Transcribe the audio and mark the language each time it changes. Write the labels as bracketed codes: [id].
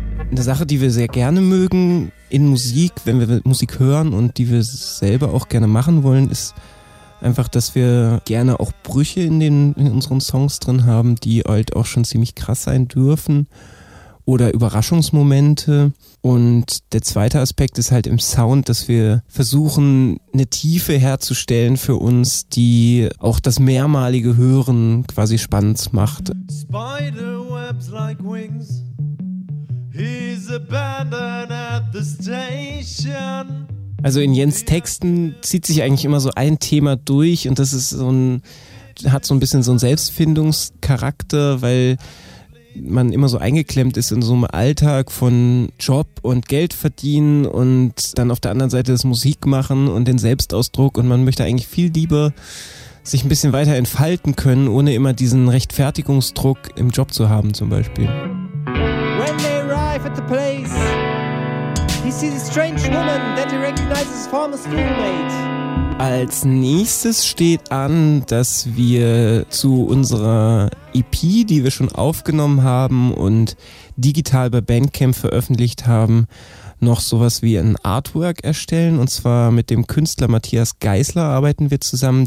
[de] Eine Sache, die wir sehr gerne mögen in Musik, wenn wir Musik hören und die wir selber auch gerne machen wollen, ist einfach, dass wir gerne auch Brüche in unseren Songs drin haben, die halt auch schon ziemlich krass sein dürfen oder Überraschungsmomente. Und der zweite Aspekt ist halt im Sound, dass wir versuchen, eine Tiefe herzustellen für uns, die auch das mehrmalige Hören quasi spannend macht. [en] Spiderwebs like wings. He's abandoned at the station. [de] Also in Jens Texten zieht sich eigentlich immer so ein Thema durch und das ist so ein, hat so ein bisschen so einen Selbstfindungscharakter, weil man immer so eingeklemmt ist in so einem Alltag von Job und Geld verdienen und dann auf der anderen Seite das Musik machen und den Selbstausdruck und man möchte eigentlich viel lieber sich ein bisschen weiter entfalten können, ohne immer diesen Rechtfertigungsdruck im Job zu haben zum Beispiel. [en] At the place, he sees a strange woman that he recognizes former schoolmate. [de] Als nächstes steht an, dass wir zu unserer EP, die wir schon aufgenommen haben und digital bei Bandcamp veröffentlicht haben, noch sowas wie ein Artwork erstellen. Und zwar mit dem Künstler Matthias Geisler arbeiten wir zusammen.